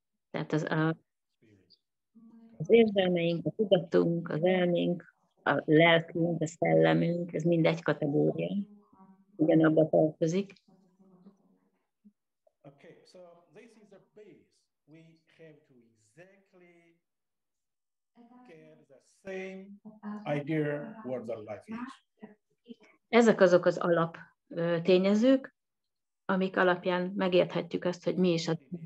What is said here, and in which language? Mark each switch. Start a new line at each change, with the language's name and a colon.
Hungarian: Tehát az érzelmeink, a tudatunk, az elménk, a lelkünk, a szellemünk, ez mind egy kategória, ugyanabba tartozik.
English: Okay, so this is the base. We have to exactly get the same idea what the life is.
Hungarian: Ezek azok az alap tényezők, amik alapján megérthetjük azt, hogy mi is a.